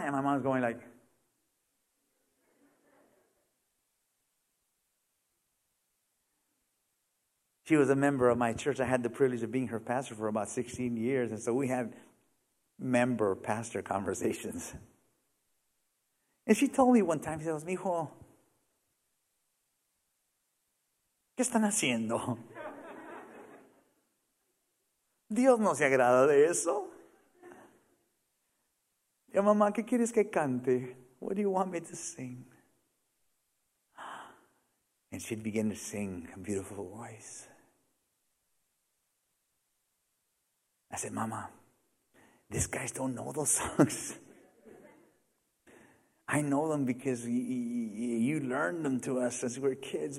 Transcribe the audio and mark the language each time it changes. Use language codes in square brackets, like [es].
[en] And my mom's going like, she was a member of my church. I had the privilege of being her pastor for about 16 years. And so we had member-pastor conversations. And she told me one time, she goes, [es] mijo, ¿qué están haciendo? Dios no se agrada de eso. Yo, mamá, ¿qué quieres que cante? [en] What do you want me to sing? And she'd begin to sing a beautiful voice. I said, mama, these guys don't know those songs. I know them because you learned them to us as we were kids.